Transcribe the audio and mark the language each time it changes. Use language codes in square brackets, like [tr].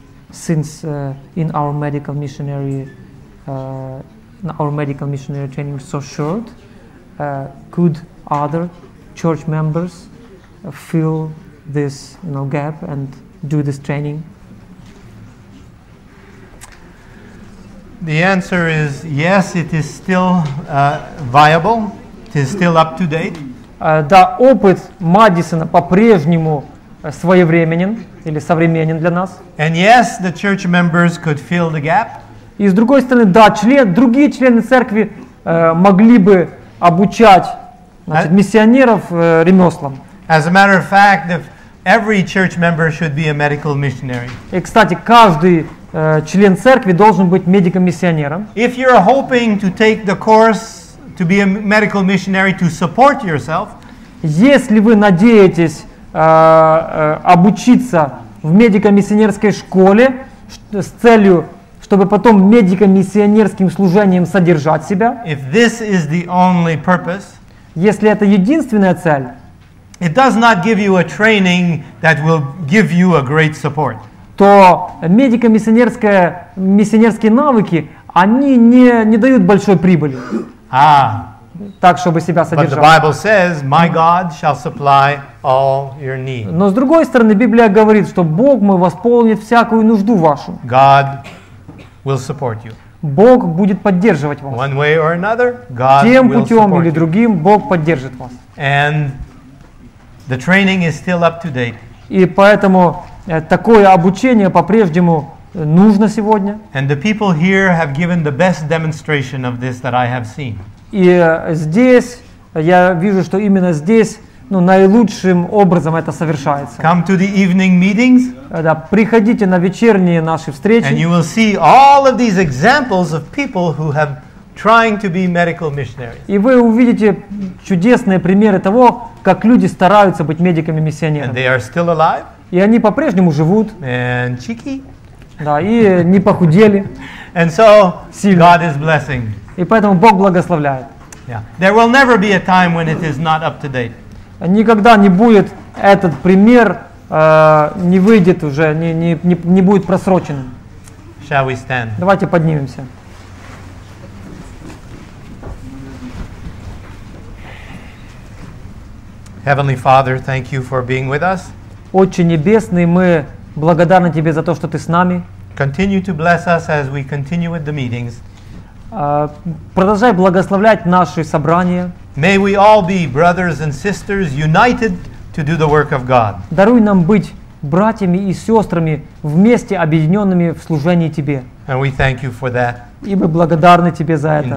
[en] Since in our medical missionary training so short, could other church members fill this gap and do this training? The answer is yes, it is still viable. It is still up to date. [ru] Да, опыт Мадисона по-прежнему своевременен или современен для нас. [en] And yes, the church members could fill the gap. [ru] И с другой стороны, да, другие члены церкви могли бы обучать, значит, миссионеров ремеслам. [en] As a matter of fact, if Every church member should be a medical missionary. [ru] И, кстати, каждый член церкви должен быть медико-миссионером. [en] If you're hoping to take the course to be a medical missionary to support yourself, [ru] если вы надеетесь обучиться в медико-миссионерской школе с целью, чтобы потом медико-миссионерским служением содержать себя, [en] if this is the only purpose, [ru] если это единственная цель, [en] it does not give you a training that will give you a great support. [ru] То медико-миссионерская, миссионерские навыки, они не дают большой прибыли. Ah. Так, чтобы себя содержать. [en] But the Bible says, my God shall supply all your need. [ru] Но с другой стороны, Библия говорит, что Бог мой восполнит всякую нужду вашу. [en] God will support you. [ru] Бог будет поддерживать вас. [en] One way or another, God [ru] тем путем или другим, Бог поддержит вас. [en] And the training is still up to date. [ru] И поэтому такое обучение по-прежнему нужно сегодня. [en] And the people here have given the best demonstration of this that I have seen. [ru] И здесь я вижу, что именно здесь, ну, наилучшим образом это совершается. [en] Come to the evening meetings. [ru] Да, приходите на вечерние наши встречи. [en] And you will see all of these examples of people who have trying to be medical missionaries. [ru] И вы увидите чудесные примеры того, как люди стараются быть медиками-миссионерами. [en] And they are still alive. [ru] И они по-прежнему живут. [en] And cheeky. [ru] Да, и не похудели. [en] And so [ru] сильно. [en] God is blessing. [ru] И поэтому Бог благословляет. Yeah. [en] There will never be a time when it is not up to date. [ru] Никогда не будет этот пример не выйдет уже, не будет просрочен. [en] Shall we stand? [ru] Давайте поднимемся. [en] Heavenly Father, thank you for being with us. [ru] Отче небесный, мы благодарны тебе за то, что ты с нами. [en] Continue to bless us as we continue with the meetings. [ru] Продолжай благословлять наши собрания. [en] May we all be brothers and sisters united to do the work of God. [ru] Даруй нам быть братьями и сестрами вместе объединенными в служении тебе. [en] And we thank you for that. [ru] И мы благодарны тебе за это.